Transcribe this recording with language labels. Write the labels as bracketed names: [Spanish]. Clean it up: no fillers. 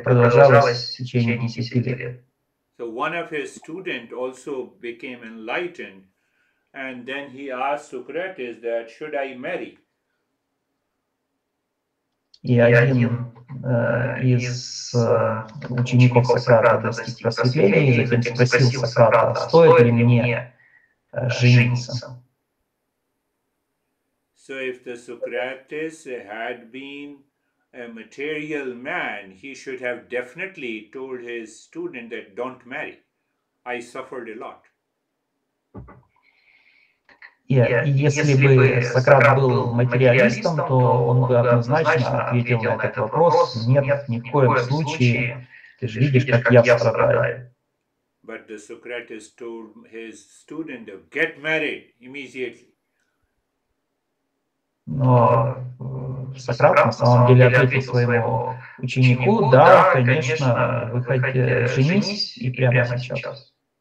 [English] So one of his students also became enlightened, and then he asked Socrates that should I marry? [Russian] Учеников Сократа достиг просветления и затем спросил Сократа, стоит ли мне жениться. [English] So if the Socrates had been a material man, he should have definitely told his student that don't marry. I suffered a lot. [Russian] Если бы Сократ был материалистом, то он бы однозначно ответил на этот вопрос. Нет, ни в коем случае. Ты же видишь, как я страдаю. [English] But the Socrates told his student of get married immediately. [Russian] Но Сократ на самом деле ответил своему ученику, да, конечно, выходи, женись и прямо сейчас.